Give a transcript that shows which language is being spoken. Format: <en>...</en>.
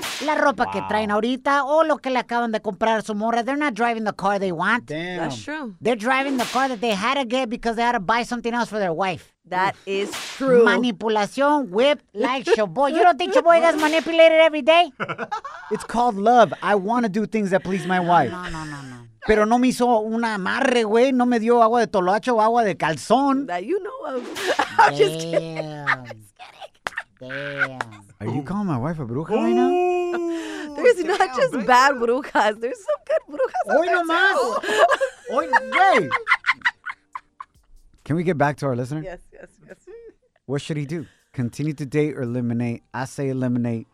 <es>La ropa que traen ahorita o lo que le acaban de comprar a su morra,</es> <en>they're not driving the car they want. Damn. That's true. They're driving the car that they had to get because they had to buy something else for their wife. That is true. Manipulación, whip, like Shaboy. You don't think Shaboy gets manipulated every day? It's called love. I want to do things that please my wife. No.</en> <es>pero no me hizo un amarre, güey. No me dio agua de toloacho o agua de calzón.</es> <en>That you know of. I'm just kidding. I'm damn. Are you calling my wife a bruja right now? There's damn, not just bitch. Bad brujas. There's some good brujas out there,</en> <es>nomás.</es> <en>Too.</en> <es>Hoy nomás. Hey.</es> <en>Can we get back to our listener? Yes. What should he do? Continue to date or eliminate? I say eliminate.</en>